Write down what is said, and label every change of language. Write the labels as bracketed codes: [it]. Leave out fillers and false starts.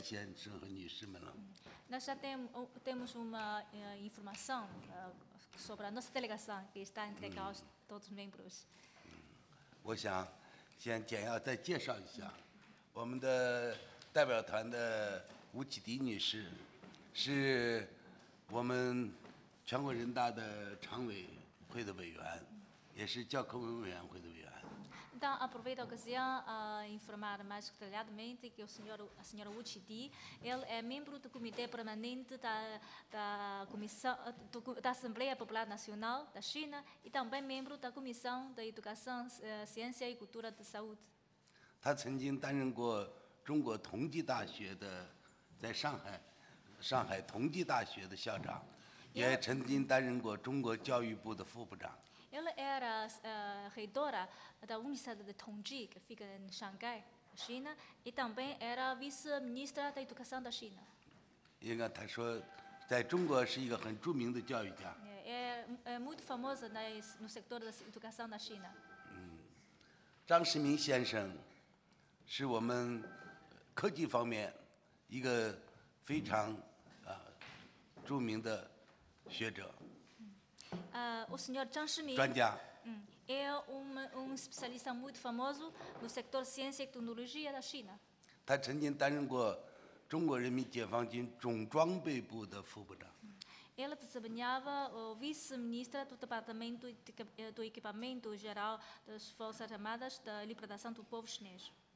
[zh] 我们代表团有一个介绍已经发给各位议员先生和女士们了。 [pt] Nós já temos uma informação sobre a nossa delegação que está entregue aos todos os membros. [zh] 我想先简要再介绍一下。我们的代表团的吴启迪女士，是我们全国人大的常委会的委员，也是教科文委员会的委员。 [pt] Então aproveito a ocasião a informar mais detalhadamente que a senhora Wu Qidi, ela é membro do comitê permanente da Assembleia Popular Nacional da China e também membro da Comissão da Educação, Ciência e Cultura da Saúde. [zh] 她曾经担任过。中国同济大学的，在上海，同济大学的校长，也曾经担任过中国教育部的副部长。 [pt] Ela era reitora da Universidade de Tongji, que fica em Xangai, China, e também era vice-ministra da Educação da China. [zh] 应该他说，在中国是一个很著名的教育家。 [pt] É muito famosa no setor da educação da China. [zh] 张世明先生是我们科技方面一个非常著名的学者。 [pt] O senhor Zhang Shiming, [zh] 专家。 [pt] É especialista muito famoso no setor ciência e tecnologia da China. [zh] 他曾经担任过中国人民解放军总装备部的副部长。 [pt] Ele desempenhava o vice-ministro do Departamento do Equipamento Geral das Forças Armadas da Libertação do Povo Chinês.